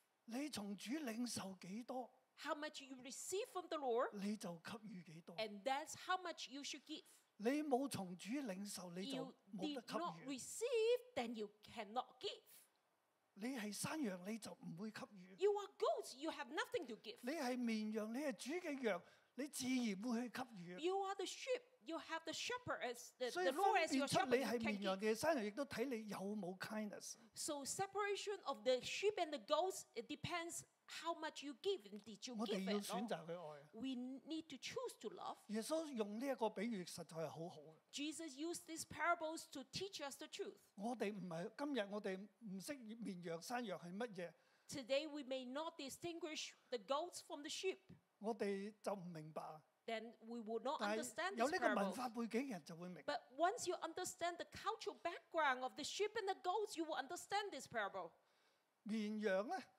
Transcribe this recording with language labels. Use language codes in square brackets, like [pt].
[yue] 你從主領受幾多 [en] ？How much you receive from the Lord？ [yue] 你就給予幾多 [en] ？And that's how much you should give。 [yue] 你冇從主領受，你就冇得給予。 [en] You did not receive, then you cannot give。 [yue] 你係山羊，你就唔會給予。 [en] You are goats, you have nothing to give。 [yue] 你係綿羊，你係主嘅羊，你自然會去給予。 [en] You are the sheep。 You have the shepherd as the Lord as your shepherd. [yue] 你係綿羊嘅山羊，亦都睇你有冇 kindness. [en] So separation of the sheep and the goats it depends how much you give and did you give it. [yue] 我哋要選擇去愛。 [en] We need to choose to love. [yue] 耶穌用呢一個比喻實在係好好。 [en] Jesus used these parables to teach us the truth. [yue] 我哋唔係今日我哋唔識綿羊山羊係乜嘢。 [en] Today we may not distinguish the goats from the sheep. [yue] 我哋就唔明白。 [en] Then we will not understand this parable. But once you understand the cultural background of the sheep and the goats, you will understand this parable. [yue] 綿羊呢,